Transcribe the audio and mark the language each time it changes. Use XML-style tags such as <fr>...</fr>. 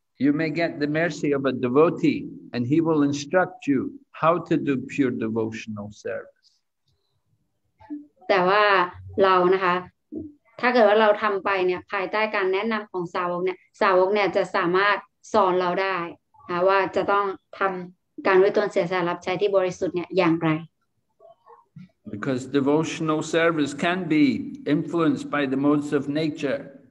<en>You may get the mercy of a devotee and he will instruct you how to do pure devotional service.</en> <th>แต่ว่าเรานะคะถ้าเกิดว่าเราทำไปเนี่ยภายใต้การแนะนำของสาวกเนี่ยสาวกเนี่ยจะสามารถสอนเราได้ว่าจะต้องทำการด้วยตนเสียสละรับใช้ที่บริสุทธิ์เนี่ยอย่างไร</th> <en>Because devotional service can be influenced by the modes of nature.</en>